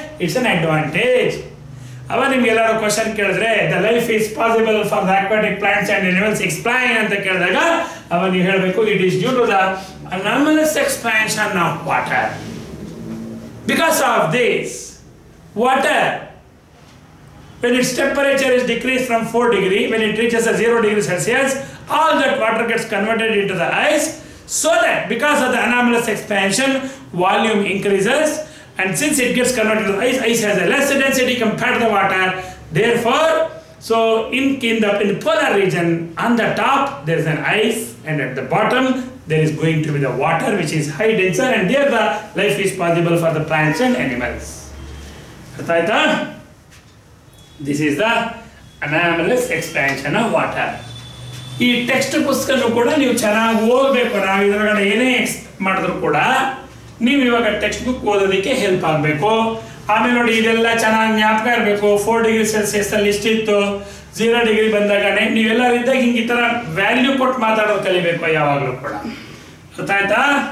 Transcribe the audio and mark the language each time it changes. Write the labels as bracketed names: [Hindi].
[English] It's an advantage. [Kannada] ಅವ ನಿಮ್ಗೆ ಎಲ್ಲರೂ [English] question ಕೇಳಿದ್ರೆ the life is possible for the aquatic plants and animals explain [Kannada] ಅಂತ ಕೇಳಿದಾಗ ಅವ ನೀವು ಹೇಳಬೇಕು [English] It is due to the anomalous expansion of water. Because of this water when its temperature is decrease from 4 degrees, when it reaches a 0 degrees Celsius, all that water gets converted into the ice. So that because of the anomalous expansion volume increases, and since it gets converted to ice, ice has a less density compared to the water. Therefore, so in the polar region, on the top there is an ice and at the bottom there is going to be the water which is high denser, and there the life is possible for the plants and animals. [Kannada] Arthaita, [English] this is the anomalous expansion of water. [Kannada] ಈ text ಪುಸ್ತಕನು ಕೂಡ ನೀವು ಚೆನ್ನಾಗಿ ಓದಬೇಕು. ನಾವು ಇದರೊಳಗಡೆ ಏನೇ explain ಮಾಡಿದ್ರು ಕೂಡ ನೀವು ಇವಾಗ ಟೆಕ್ಸ್ಟ್ ಬುಕ್ ಓದೋದಕ್ಕೆ ಹೆಲ್ಪ್ ಆಗಬೇಕು. ಆಮೇಲೆ ನೋಡಿ, ಇದೆಲ್ಲ ಚೆನ್ನಾಗಿ ಜ್ಞಾಪಕ ಇರಬೇಕು. 4 degrees Celsius ಇಷ್ಟಿತ್ತು, 0 degree ಬಂದಾಗ ನೀವೆಲ್ಲರಿದ್ದಾಗ ಹಿಂಗೆ ಈ ಥರ ವ್ಯಾಲ್ಯೂ ಕೊಟ್ಟು ಮಾತಾಡೋದು ಕಲಿಬೇಕು ಯಾವಾಗಲೂ ಕೂಡ. ಗೊತ್ತಾಯ್ತಾ?